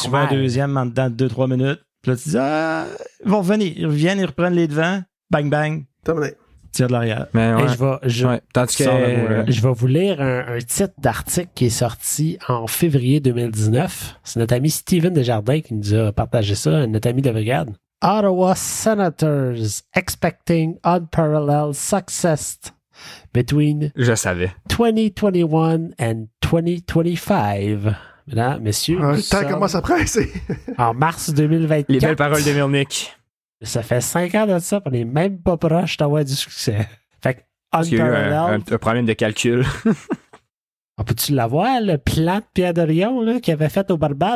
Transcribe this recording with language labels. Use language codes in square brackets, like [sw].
[fr] Puis souvent un deuxième en dedans de 2-3 minutes. Puis là, tu dis, ils vont revenir. Ils reviennent, ils reprennent les devants. Bang, bang. Terminé. Tire de l'arrière. Mais ouais. Je vais vous lire un titre d'article qui est sorti en février 2019. C'est notre ami Steven Desjardins qui nous a partagé ça, notre ami de brigade. [en] Ottawa Senators expecting unparalleled success between 2021 and 2025. [fr] Mesdames, messieurs, Temps commence à presser. En mars 2024. Les belles paroles de Mirnick. Ça fait 5 ans de ça, on n'est même pas proche d'avoir du succès. Fait que un problème de calcul. On peut-tu l'avoir, le plan de Pierre Dorion qu'il avait fait au Barbade?